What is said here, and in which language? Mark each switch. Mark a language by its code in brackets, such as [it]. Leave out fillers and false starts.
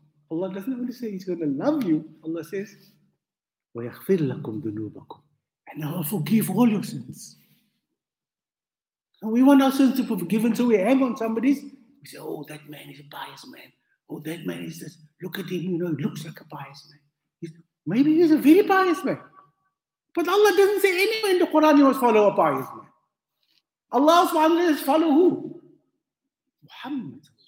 [en] Allah doesn't only say he's going to love you. Allah says, [ar] وَيَخْفِرْ لَكُمْ ذُنُوبَكُمْ. [en] And I will forgive all your sins. And we want our sins to be forgiven, so we hang on somebody's. We say, oh, that man is a pious man. Oh, that man is this. Look at him, you know, he looks like a pious man. Maybe he's a very pious man. But Allah doesn't say anywhere in the Quran you must follow a pious man. Allah says, follow who? Muhammad.